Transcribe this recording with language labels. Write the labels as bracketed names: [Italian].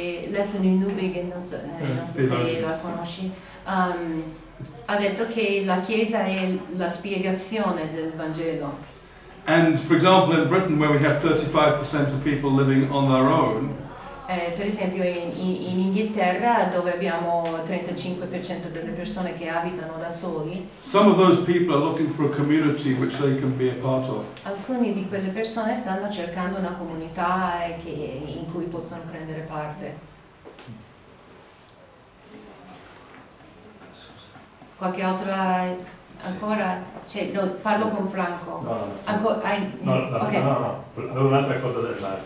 [Italian] Leslie Newbegin, non so se la conosci, ha detto che la Chiesa è la spiegazione del Vangelo. [English] And for example, in Britain, where we have 35% of people living on their own. [Italian] Per esempio, in Inghilterra, dove abbiamo 35% delle persone che abitano da soli. [English] Some of those people are looking for a community which they can be a part of. [Italian] Alcune di quelle persone stanno cercando una comunità in cui possono prendere parte. Qualche altra ancora? Cioè, no, parlo con Franco. No, un'altra cosa da fare.